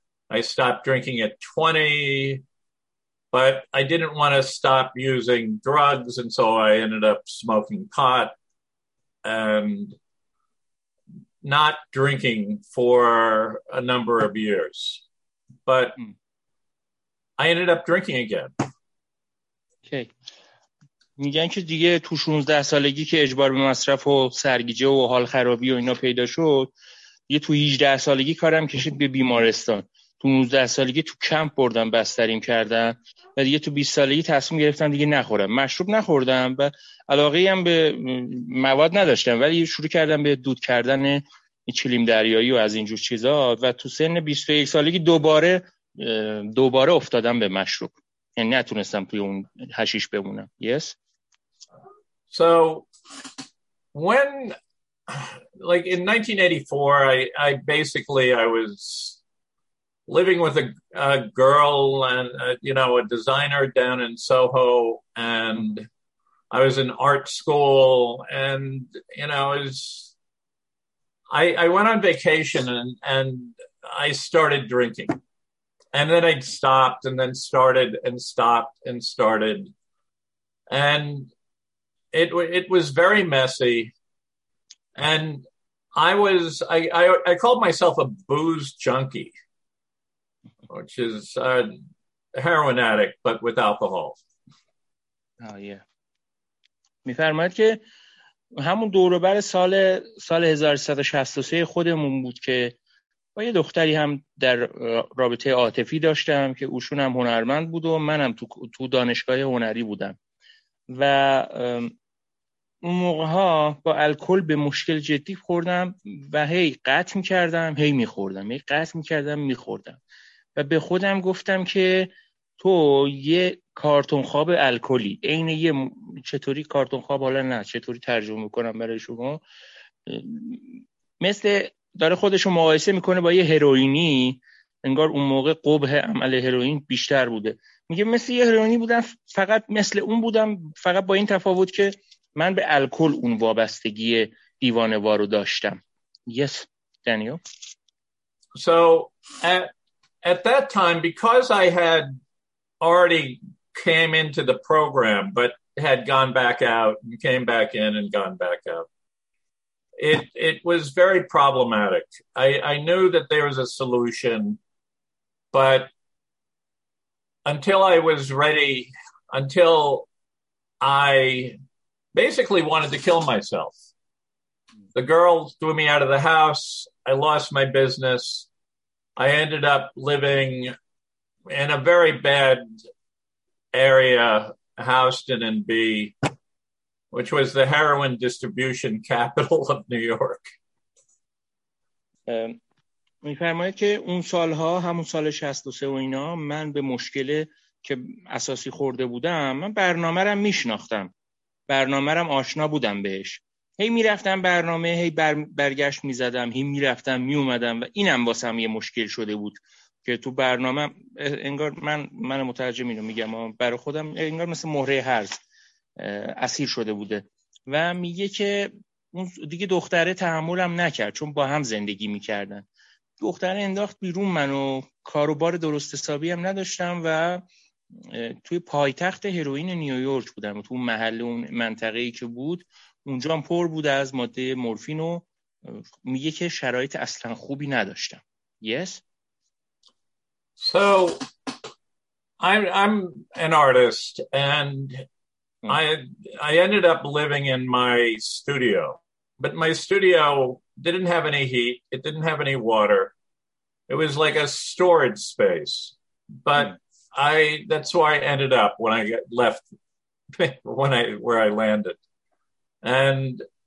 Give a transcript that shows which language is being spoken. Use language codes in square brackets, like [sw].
[en] I stopped drinking at 20, but I didn't want to stop using drugs, and so I ended up smoking pot and not drinking for a number of years. But I ended up drinking again. Okay. [fa] میگن که دیگه تو 16 سالگی که اجبار به مصرف و سرگیجه و حال خرابی و اینا پیدا شد، یه تو 18 سالگی کارم کشید به بیمارستان، تو 19 سالگی تو کمپ بردم بستریم کردن، و دیگه تو 20 سالگی تصمیم گرفتم دیگه نخورم، مشروب نخوردم و علاقه ای هم به مواد نداشتم، ولی شروع کردم به دود کردن چلیم دریایی و از اینجور چیزا، و تو سن 21 سالگی دوباره افتادم به مشروب، یعنی نتونستم توی اون حشیش بمونم. [en] Yes. So when like in 1984 I basically I was living with a girl and you know a designer down in Soho, and I was in art school, and you know I went on vacation and I started drinking, and then I stopped and then started and stopped and started, and it was very messy, and I called myself a booze junkie, which is a heroin addict but with alcohol. Oh yeah. [fa] می‌فرماید که همون دور و بر سال 1363 خودمون بود که با یه دختری هم در رابطه عاطفی داشتم که اوشون هم هنرمند بود و منم تو دانشگاه هنری بودم، و اون موقع ها با الکل به مشکل جدی خوردم و هی قطع می‌کردم، هی می‌خوردم، هی قطع می‌کردم، می‌خوردم، و به خودم گفتم که تو یه کارتون خواب الکلی، عین یه چطوری کارتون خواب، حالا نه چطوری ترجمه میکنم برای شما، مثل داره خودشو مقایسه میکنه با یه هروئینی، انگار اون موقع قبح عمل هروئین بیشتر بوده، میگه مثل یه هروئینی بودم، فقط مثل اون بودم، فقط با این تفاوت که من به الکل اون وابستگی دیوانه وارو داشتم. [en] Yes, Daniel. So at that time, because I had already came into the program but had gone back out and came back in and gone back out, it was very problematic. I knew that there was a solution, but until I was ready, until I basically wanted to kill myself, the girl threw me out of the house, I lost my business, I ended up living in a very bad area, Houston and B, which was the heroin distribution capital of New York. [fa] می‌فرماید که اون سالها، همون سال 63 و اینا، من به مشکلی که اساسی خورده بودم، من برنامه‌رم می‌شناختم. برنامه‌رم آشنا بودم بهش. هی می‌رفتم برنامه، هی برگشت می‌زدم، هی می‌رفتم می‌اومدم، و اینم واسم یه مشکل شده بود. که تو برنامه انگار من مترجم اینو میگم، برای خودم انگار مثل مهره هرز اسیر شده بوده، و میگه که اون دیگه دختره تحملم نکرد، چون با هم زندگی میکردن، دختره انداخت بیرون منو، کاروبار درست حسابی هم نداشتم، و توی پایتخت هروئین نیویورک بودم، تو محل اون منطقه‌ای که بود اونجا هم پر بود از ماده مورفین، و میگه که شرایط اصلا خوبی نداشتم. [en] Yes. So I'm an artist, and I ended up living in my studio, but my studio didn't have any heat, it didn't have any water, it was like a storage space, but that's where I ended up when I left, where I landed, and